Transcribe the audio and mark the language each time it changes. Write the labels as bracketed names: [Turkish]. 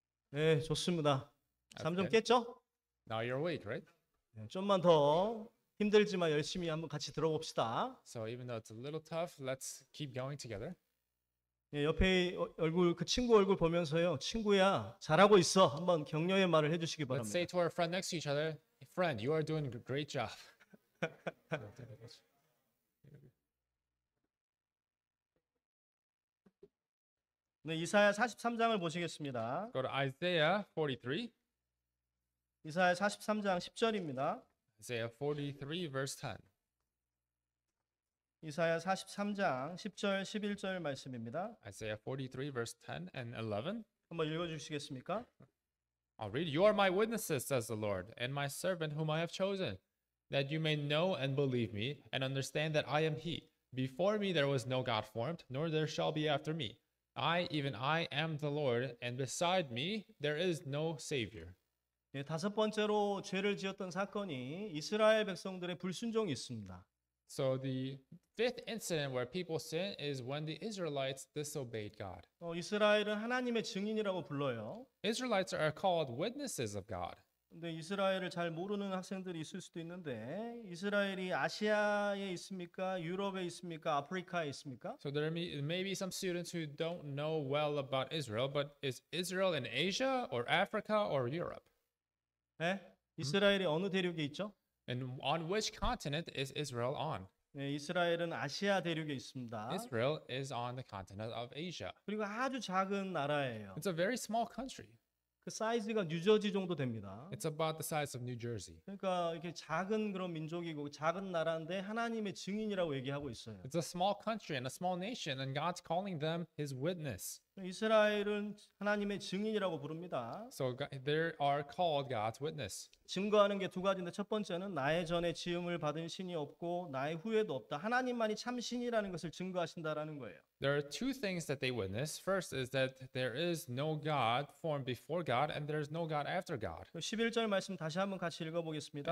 [Korean] 네, 좋습니다. 잠 좀 깼죠? [English] Now you're awake, right? [Korean] 좀만 더 힘들지만 열심히 한번 같이 들어봅시다. [English] So even though it's a little tough, let's keep going together. [Korean] 네, 옆에 얼굴 그 친구 얼굴 보면서요, 친구야 잘하고 있어. 한번 격려의 말을 해주시기 바랍니다. [English] Let's say to our friend next to each other, friend, you are doing a great job. [Korean] 네, 이사야 43장을 보시겠습니다. [English] Go to Isaiah 43. [Korean] 이사야 43장 10절입니다. [English] Isaiah 43 verse 10. [Korean] 이사야 43장 10절 11절 말씀입니다. [English] Isaiah 43 verse 10 and 11. [Korean] 한번 읽어 주시겠습니까? [English] I'll read. You are my witnesses, says the Lord, and my servant whom I have chosen, that you may know and believe me and understand that I am he. Before me there was no god formed, nor there shall be after me. I, even I, am the Lord, and beside me, there is no Savior. [Korean] 네, 다섯 번째로 죄를 지었던 사건이 이스라엘 백성들의 불순종이 있습니다. [English] So the fifth incident where people sin is when the Israelites disobeyed God. [Korean] 이스라엘은 하나님의 증인이라고 불러요. [English] Israelites are called witnesses of God. [Korean] 근데 이스라엘을 잘 모르는 학생들이 있을 수도 있는데 이스라엘이 아시아에 있습니까? 유럽에 있습니까? 아프리카에 있습니까? [English] So there may be some students who don't know well about Israel, but is Israel in Asia or Africa or Europe? [Korean] 네? 이스라엘이 어느 대륙에 있죠? [English] And on which continent is Israel on? [Korean] 네, 이스라엘은 아시아 대륙에 있습니다. [English] Israel is on the continent of Asia. [Korean] 그리고 아주 작은 나라예요. [English] It's a very small country. [Korean] 그 사이즈가 뉴저지 정도 됩니다. [English] It's about the size of New Jersey. [Korean] 그러니까 이렇게 작은 그런 민족이고 작은 나라인데 하나님의 증인이라고 얘기하고 있어요. [English] It's a small country and a small nation and God's calling them his witness. [Korean] 이스라엘은 하나님의 증인이라고 부릅니다. [English] So they are called God's witness. [Korean] 증거하는 게 두 가지인데 첫 번째는 나의 전에 지음을 받은 신이 없고 나의 후에도 없다. 하나님만이 참 신이라는 것을 증거하신다라는 거예요. [English] There are two things that they witness. First is that there is no God formed before God and there is no God after God. [Korean] 11절 말씀 다시 한번 같이 읽어보겠습니다.